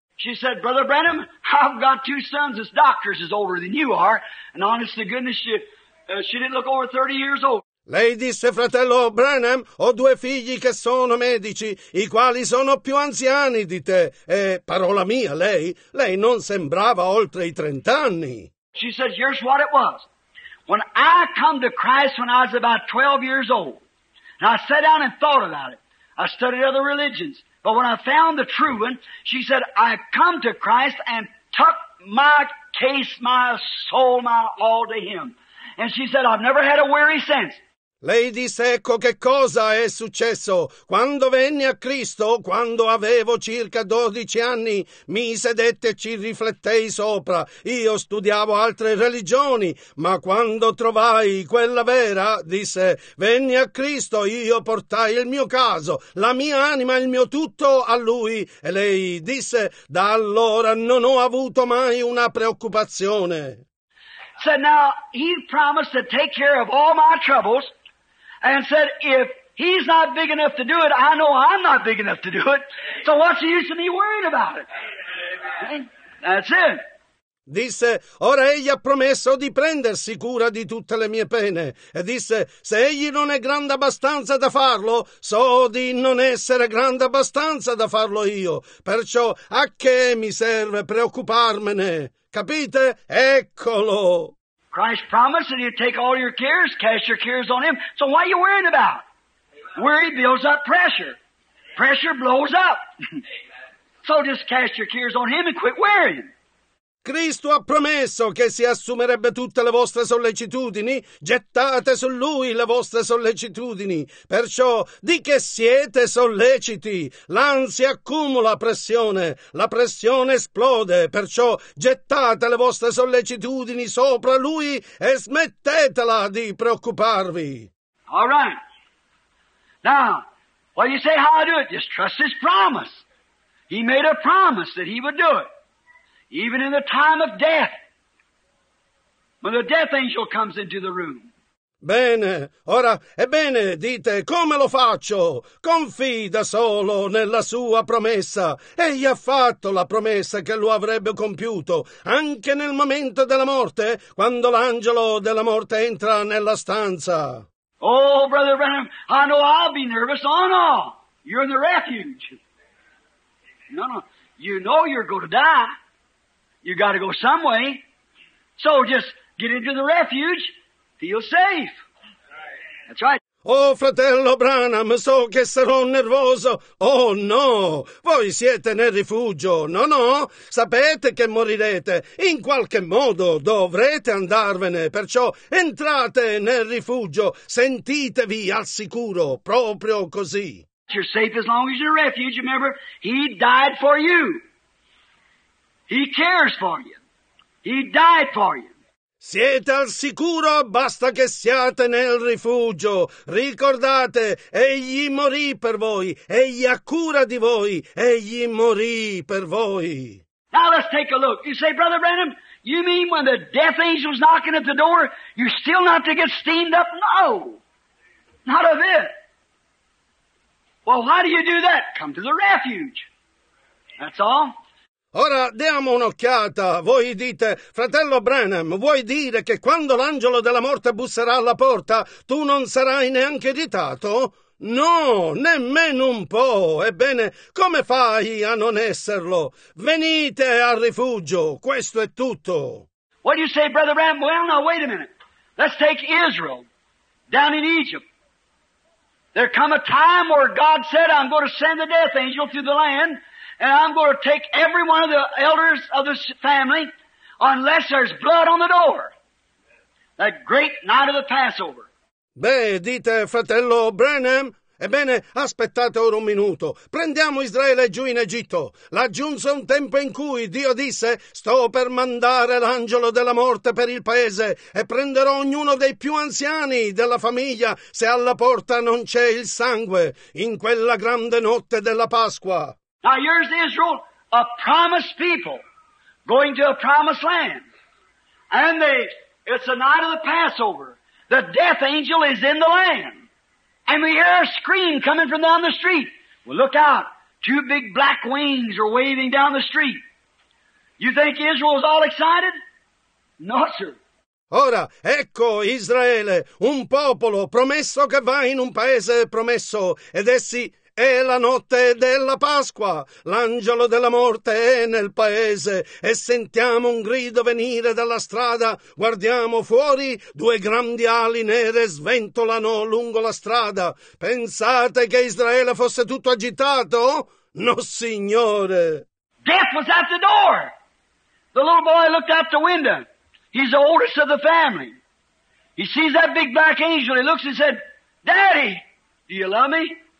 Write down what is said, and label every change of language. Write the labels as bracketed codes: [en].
[en] She said, Brother Branham, I've got two sons as doctors as older than you are, and honest to goodness, she didn't look over 30 years old. [it] Lei disse, fratello Branham, ho due figli che sono medici, i quali sono più anziani di te. E, parola mia, lei non sembrava oltre i 30 anni. [en] She says, here's what it was. When I come to Christ when I was about 12 years old, and I sat down and thought about it, I studied other religions. But when I found the true one, she said, I come to Christ and tuck my case, my soul, my all to Him. And she said, I've never had a weary since. [it] Lei disse, ecco che cosa è successo. Quando venni a Cristo, quando avevo circa 12 anni, mi sedette e ci riflettei sopra. Io studiavo altre religioni, ma quando trovai quella vera, disse, venni a Cristo, io portai il mio caso, la mia anima, il mio tutto a Lui. E lei disse, da allora non ho avuto mai una preoccupazione. [en] So now, He promised to take care of all my troubles. And said, if He's not big enough to do it, I know I'm not big enough to do it. So what's the use of me worrying about it? Okay? That's it. [it] Disse, ora Egli ha promesso di prendersi cura di tutte le mie pene. E disse, se Egli non è grande abbastanza da farlo, so di non essere grande abbastanza da farlo io. Perciò a che mi serve preoccuparmene? Capite? Eccolo! [en] Christ promised that He'd take all your cares, cast your cares on Him. So why are you worrying about? Worry builds up pressure. Pressure blows up. So just cast your cares on Him and quit worrying. [it] Cristo ha promesso che si assumerebbe tutte le vostre sollecitudini. Gettate su Lui le vostre sollecitudini. Perciò, di che siete solleciti? L'ansia accumula pressione. La pressione esplode. Perciò, gettate le vostre sollecitudini sopra Lui e smettetela di preoccuparvi. [en] All right. Now, what you say, how I do it? Just trust His promise. He made a promise that He would do it. Even in the time of death, when the death angel comes into the room. [it] Bene, ora, ebbene, dite, come lo faccio? Confida solo nella sua promessa. Egli ha fatto la promessa che lo avrebbe compiuto, anche nel momento della morte, quando l'angelo della morte entra nella stanza. [en] Oh, Brother Branham, I know I'll be nervous. Oh, no, you're in the refuge. No, no, you know you're going to die. You got to go some way. So just get into the refuge. Feel safe. That's right. [it] Oh, fratello Branham, so che sarò nervoso. Oh, no. Voi siete nel rifugio. No, no. Sapete che morirete. In qualche modo dovrete andarvene. Perciò entrate nel rifugio. Sentitevi al sicuro. Proprio così. [en] You're safe as long as you're in refuge. Remember, He died for you. He cares for you. He died for you. [it] Siete al sicuro, basta che siate nel rifugio. Ricordate, Egli morì per voi. Egli ha cura di voi. Egli morì per voi. [en] Now let's take a look. You say, Brother Branham, you mean when the death angel's knocking at the door, you're still not to get steamed up? No. Not a bit. Well, why do you do that? Come to the refuge. That's all. [it] Ora diamo un'occhiata. Voi dite, fratello Branham, vuoi dire che quando l'angelo della morte busserà alla porta, tu non sarai neanche irritato? No, nemmeno un po'. Ebbene, come fai a non esserlo? Venite al rifugio. Questo è tutto. [en] What do you say, Brother Branham? Well, now, wait a minute. Let's take Israel down in Egypt. There come a time where God said, I'm going to send the death angel through the land. And I'm going to take every one of the elders of this family unless there's blood on the door. That great night of the Passover. [it] Beh, dite, fratello Branham. Ebbene, aspettate ora un minuto. Prendiamo Israele giù in Egitto. Là giunse un tempo in cui Dio disse, sto per mandare l'angelo della morte per il paese e prenderò ognuno dei più anziani della famiglia se alla porta non c'è il sangue in quella grande notte della Pasqua. [en] Now here's Israel, a promised people, going to a promised land. And it's the night of the Passover. The death angel is in the land. And we hear a scream coming from down the street. Well, look out. Two big black wings are waving down the street. You think Israel's all excited? No, sir. [it] Ora, ecco Israele, un popolo promesso che va in un paese promesso, ed essi, È la notte della Pasqua, l'angelo della morte è nel paese e sentiamo un grido venire dalla strada. Guardiamo fuori, due grandi ali nere sventolano lungo la strada. Pensate che Israele fosse tutto agitato? No, signore! [en] Death was at the door. The little boy looked out the window. He's the oldest of the family. He sees that big black angel. He looks and said, Daddy, do you love me?